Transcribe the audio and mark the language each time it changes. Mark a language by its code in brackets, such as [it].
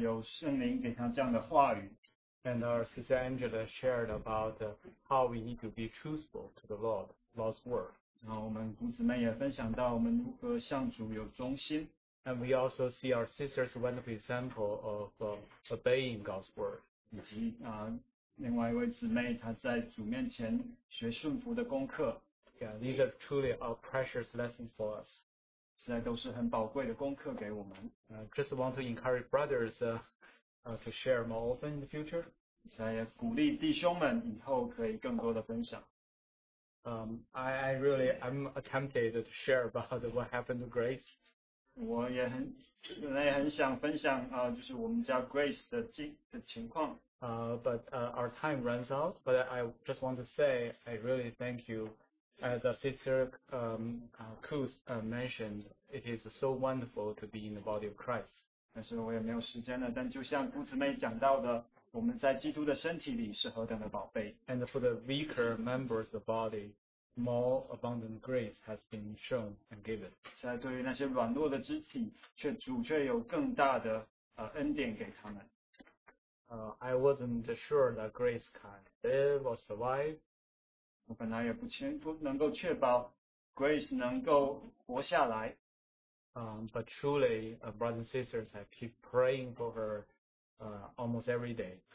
[zh] 像第一个姊妹她分享到实在有圣灵给她这样的话语。 [en] And our sister Angela shared about how we need to be truthful to the Lord, Lord's word. [zh] 然后我们姊妹也分享到我们如何向主有忠心。 [en] And we also see our sister's wonderful example of obeying God's word. [zh] 以及另外一位姊妹她在主面前学顺服的功课。 [en] Yeah, these are truly our precious lessons for us. [zh] 实在都是很宝贵的功课给我们。 [en] Just want to encourage brothers to share more often in the future. [zh] 实在也鼓励弟兄们以后可以更多的分享。 [en] I'm tempted to share about what happened to Grace. [zh] 我也很想分享，就是我们家 Grace 的情况。 [en] But our time runs out. But I just want to say I really thank you. As our sister Kuz mentioned, it is so wonderful to be in the body of Christ. [zh] 但是我也没有时间了，但就像姑姊妹讲到的。 [en] And for the weaker members of the body, more abundant grace has been shown and given. [zh] 现在对于那些软弱的肢体，却主却有更大的恩典给他们。 [en] I wasn't sure that grace can live or survive. [zh] 我本来也不能够确保 grace 能够活下来。 [en] But truly, brothers and sisters, I keep praying for her almost every day.